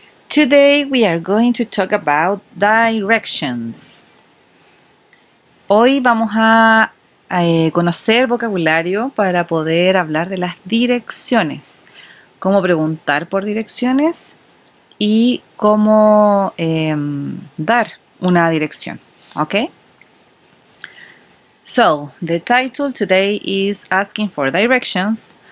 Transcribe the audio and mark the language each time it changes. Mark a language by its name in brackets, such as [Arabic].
[English] Today we are going to talk about directions. [Spanish] Hoy vamos a conocer vocabulario para poder hablar de las direcciones. Cómo preguntar por direcciones y cómo dar una dirección. [English] Okay? So, the title today is Asking for Directions.